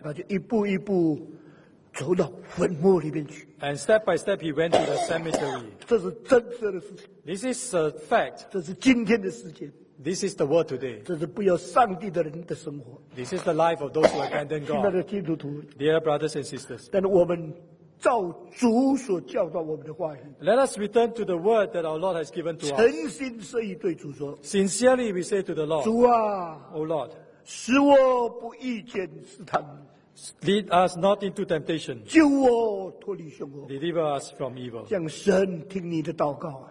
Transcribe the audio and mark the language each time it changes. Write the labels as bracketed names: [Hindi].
[Chinese] 他就一步一步走到坟墓里面去。 [English] And step by step, he went to the cemetery. [Chinese] 这是真实的事情。 [English] This is a fact. [Chinese] 这是今天的世界。 [English] This is the world today. [Chinese] 这是不要上帝的人的生活。 [English] This is the life of those who abandon God. [Chinese] 亲爱的基督徒 [English] ，Dear brothers and sisters. [Chinese] 但是我们照主所教导我们的话语。 [English] Let us return to the word that our Lord has given to us. [Chinese] 诚心设意对主说。 [English] Sincerely we say to the Lord. [Chinese] 主啊 [English] ，O Lord， [Chinese] 使我不遇见试探。 [English] Lead us not into temptation. [Chinese] 救我脱离凶恶。 [English] Deliver us from evil. [Chinese] 让神听你的祷告。